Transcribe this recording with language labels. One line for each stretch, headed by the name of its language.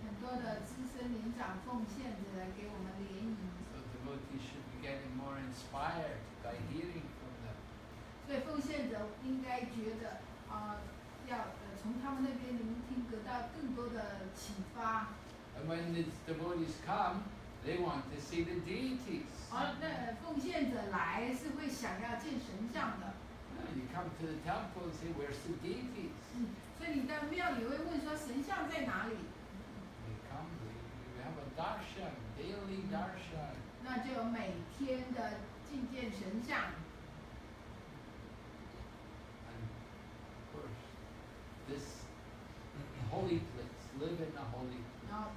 Chinese: 很多的资深年长奉献者来给我们联谊。
English: So devotees should be getting more inspired by hearing from them.
Chinese: 所以奉献者应该觉得, 要从他们那边聆听得到更多的启发。
English: And when these devotees come, they want to see the deities.
Chinese: 那奉献者来是会想要见神像的。
English: You come to the temple and say, where's the deities?
Chinese: 所以你到庙里会问说神像在哪里?
English: They come, we have a darshan, daily darshan.
Chinese: 那就每天的觐见神像。
English: And of course, this holy place, live in a holy place.